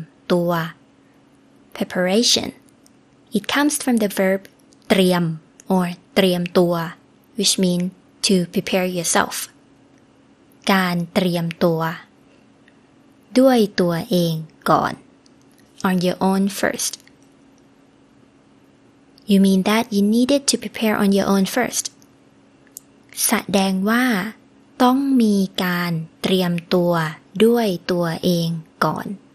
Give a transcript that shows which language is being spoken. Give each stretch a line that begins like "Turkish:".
English: ตัว preparation it comes from the verb เตรียม or เตรียมตัว which mean to prepare yourself
Thai: การเตรียมตัวด้วยตัวเอง
English: Gone. On your own first. You mean that you needed to prepare on your own first?
Thai: แสดงว่าต้องมีการเตรียมตัวด้วยตัวเองก่อน